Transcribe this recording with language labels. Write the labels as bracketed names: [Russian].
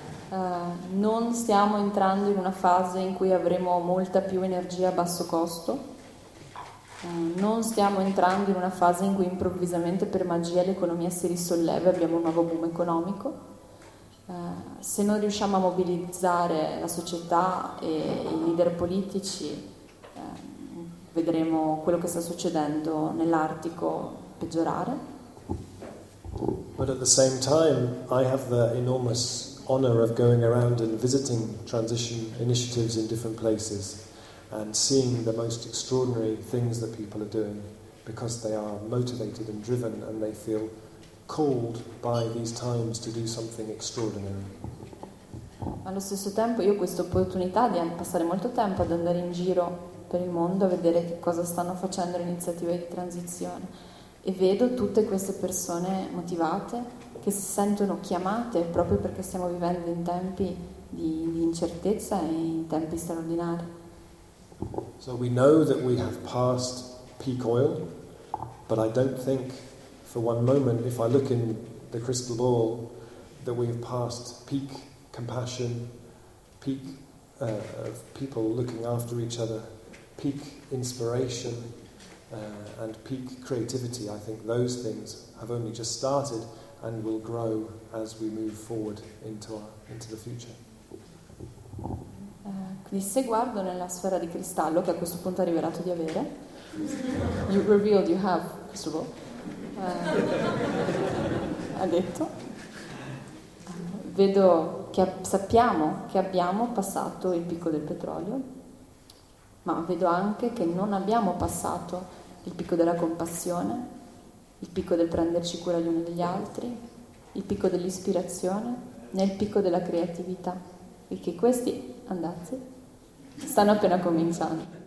[Italian] Non stiamo entrando in una fase in cui avremo molta più energia a basso costo, non stiamo entrando in una fase in cui improvvisamente per magia l'economia si risolleva e abbiamo un nuovo boom economico. Se non riusciamo a mobilizzare la società e i leader politici, vedremo quello che sta succedendo nell'Artico peggiorare. [English] But at the same time I have the enormous honor of going around and visiting transition initiatives in different places and seeing the most extraordinary things that people are doing because they are motivated and driven and they feel called by these times to do something extraordinary. [Italian] Allo stesso tempo io ho questa opportunità di passare molto tempo ad andare in giro per il mondo a vedere che cosa stanno facendo le iniziative di transizione e vedo tutte queste persone motivate che si sentono chiamate proprio perché stiamo vivendo in tempi di incertezza e in tempi straordinari. [English] So we know that we have passed peak oil, but I don't think for one moment, if I look in the crystal ball, that we have passed peak compassion, peak of people looking after each other, peak inspiration and peak creativity. I think those things have only just started and will grow as we move forward into the future. [Italian] Quindi se guardo nella sfera di cristallo che a questo punto ha rivelato di avere, [English] you revealed you have, first of all, [Italian] ha detto, vedo che sappiamo che abbiamo passato il picco del petrolio, ma vedo anche che non abbiamo passato il picco della compassione, il picco del prenderci cura gli uni degli altri, il picco dell'ispirazione, né il picco della creatività, e che questi andazzi stanno appena cominciando.